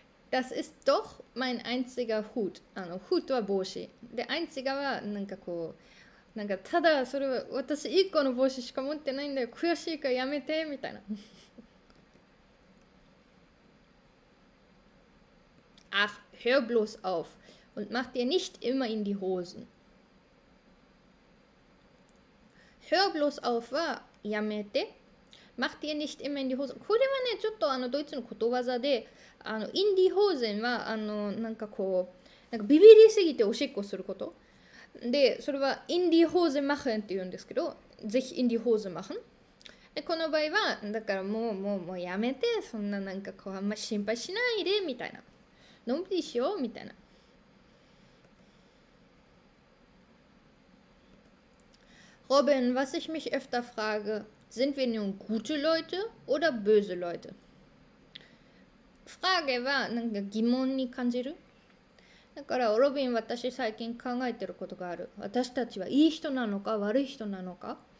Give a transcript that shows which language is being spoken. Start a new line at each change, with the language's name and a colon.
German: Das ist doch mein einziger Hut.
Japanese: Hut は帽子。で、einziger はなんかこう。なんかただそれは私一個の帽子しか持ってないんだよ悔しいからやめてみたいな。
German: Ach, hör bloß auf und mach dir nicht immer in die Hosen. Hör bloß auf
Japanese: はやめて。
German: Mach dir nicht immer in die Hosen.
Japanese: これはねちょっとドイツのことわざで、
German: in die Hosen
Japanese: はなんかこうなんかビビりすぎておしっこすること。で、それは、インディホーゼマハンって言うんですけど、ぜひインディホーゼマハン。で、この場合は、だからもうやめて、そんななんかこう、あんま心配しないで、みたいな。のんびりしよう、みたいな。
German: Robin, was ich mich öfter frage, sind wir nun gute Leute oder böse Leute?
Japanese: Frage は、なんか疑問に感じる。だから、ロビン、私最近考えてることがある。私たちはいい人なのか、悪い人なのか。